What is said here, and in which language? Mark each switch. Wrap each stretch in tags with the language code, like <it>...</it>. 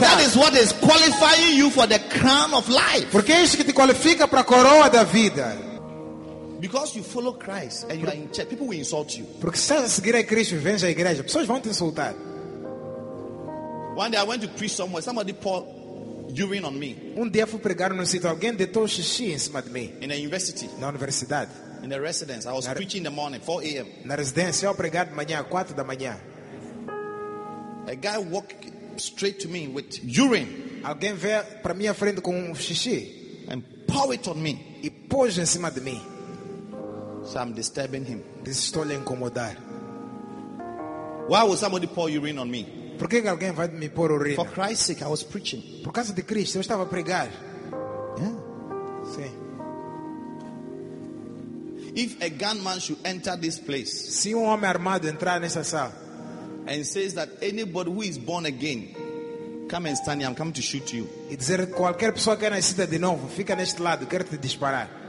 <en>because that is what is qualifying you for the crown of life,</en> <pt>porque é isso que te qualifica para a coroa da vida.</pt> <en>Because you follow Christ and you are in church, people will insult you.</en> <pt>Porque se você seguir a Cristo e vem à igreja, pessoas vão te insultar.</pt> <en>One day I went to preach somewhere, somebody poured urine on me.</en> <pt>Um dia fui pregar num sítio, alguém deitou xixi em cima de mim.</pt> <en>In a university.</en> <pt>Na universidade.</pt> <en>In a residence. I was preaching in the morning, 4 a.m.</en> <pt>Na residência, eu pregar de manhã, 4 da manhã.</pt> <en>A guy walked straight to me with urine.</en> <pt>Alguém veio para minha frente com um xixi</pt> <en>and poured it on me.</en> <pt>E pôs em cima de mim.</pt> <en>So I'm disturbing him.</en> <pt>Estou lhe incomodar.</pt> <en>Why would somebody pour urine on me?</en> <pt>Por que alguém vai me pôr urina?</pt> <en>For Christ's sake, I was preaching.</en> <pt>Por causa de Cristo, eu estava a pregar.</pt> <en>Yeah.</en> <pt>Sim.</pt> <en>If a gunman should enter this place,</en> <pt>se homem armado entrar nessa sala,</pt> <en>and says that anybody who is born again, come and stand here, I'm coming to shoot you.</en> <pt>E dizer qualquer pessoa que nasceu de novo, fica neste lado, quero te disparar.</pt>